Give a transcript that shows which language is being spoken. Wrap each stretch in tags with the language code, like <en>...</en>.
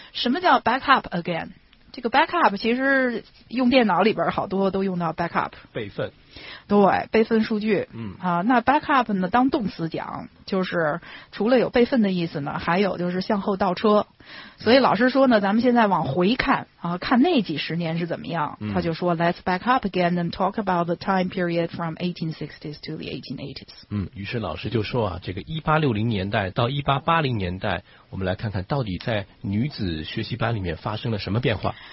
<zh>什么叫 back up again？ 这个 backup 其实用电脑里边好多都用到 backup，备份，对，备份数据，嗯啊，那 backup 呢当动词讲，就是除了有备份的意思呢，还有就是向后倒车，所以老师说呢，咱们现在往回看啊，看那几十年是怎么样，他就说、嗯、</zh> <en>let's back up again and talk about the time period from 1860s to the 1880s。</en> <zh>嗯，于是老师就说啊，这个1860年代到1880年代，我们来看看到底在女子学习班里面发生了什么变化。</zh>